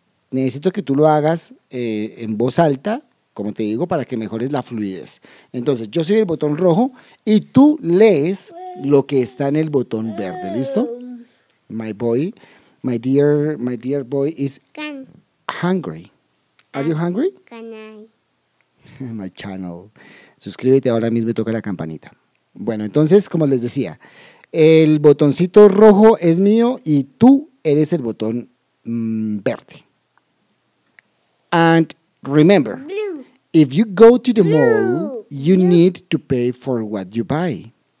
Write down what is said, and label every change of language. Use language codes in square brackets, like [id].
[es] Necesito que tú lo hagas en voz alta, como te digo, para que mejores la fluidez. Entonces, yo soy el botón rojo y tú lees lo que está en el botón verde, ¿listo? [en] My boy, my dear boy is hungry. Are you hungry? My channel. [es] Suscríbete ahora mismo y toca la campanita. Bueno, entonces, como les decía, el botoncito rojo es mío y tú eres el botón verde. [en] And remember, if you go to the mall, you need to pay for what you buy.